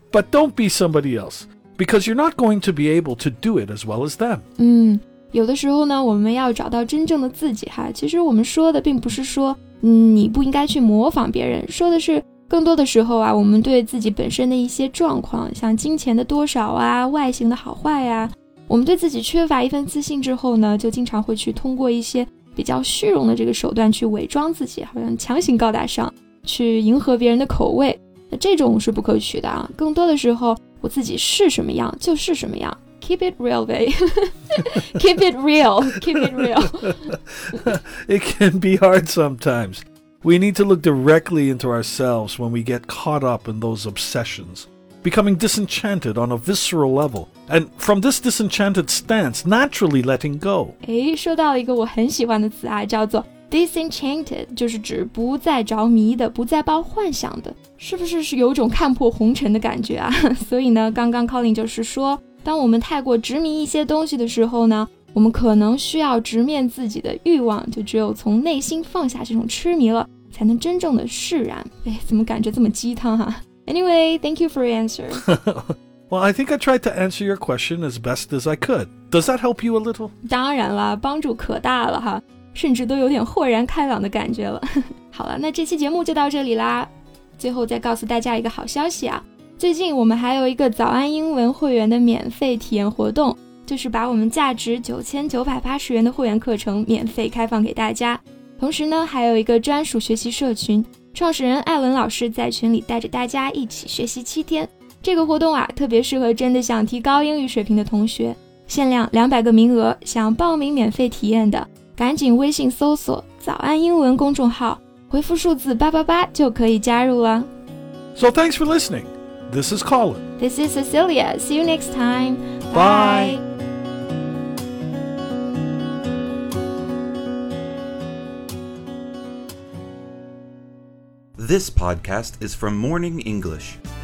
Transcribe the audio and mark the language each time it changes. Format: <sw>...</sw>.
<en>But don't be somebody else. Because you're not going to be able to do it as well as them.</en> <zh>有的时候呢，我们要找到真正的自己哈。其实我们说的并不是说你不应该去模仿别人。说的是更多的时候啊，我们对自己本身的一些状况，像金钱的多少啊，外形的好坏啊，我们对自己缺乏一份自信之后呢，就经常会去通过一些比较虚荣的这个手段去伪装自己，好像强行高大上，去迎合别人的口味，那这种是不可取的啊。更多的时候，我自己是什么样就是什么样 ，</zh> <en>keep it real, babe. keep it real, keep it real. it can be hard sometimes. We need to look directly into ourselves when we get caught up in those obsessions, becoming disenchanted on a visceral level. And from this disenchanted stance, naturally letting go.</en> <zh>诶，说到一个我很喜欢的词啊，叫做 disenchanted, 就是指不再着迷的，不再抱幻想的。是不是是有种看破红尘的感觉啊？所以呢，刚刚 Colin 就是说，当我们太过执迷一些东西的时候呢，我们可能需要直面自己的欲望，就只有从内心放下这种痴迷了，才能真正的释然。诶，怎么感觉这么鸡汤啊？</zh> <en>Anyway, thank you for your answer. Well, I think I tried to answer your question as best as I could. Does that help you a little?</en> <zh>当然了，帮助可大了哈，甚至都有点豁然开朗的感觉了。好了，那这期节目就到这里啦。最后再告诉大家一个好消息啊，最近我们还有一个早安英文会员的免费体验活动，就是把我们价值9980元的会员课程免费开放给大家。同时呢，还有一个专属学习社群，创始人艾伦老师在群里带着大家一起学习7天。这个活动啊，特别适合真的想提高英语水平的同学，限量200个名额，想报名免费体验的，赶紧微信搜索早安英文公众号，回复数字888就可以加入了。</zh> <en>So thanks for listening. This is Colin. This is Cecilia. See you next time. Bye. This podcast is from Morning English.</en>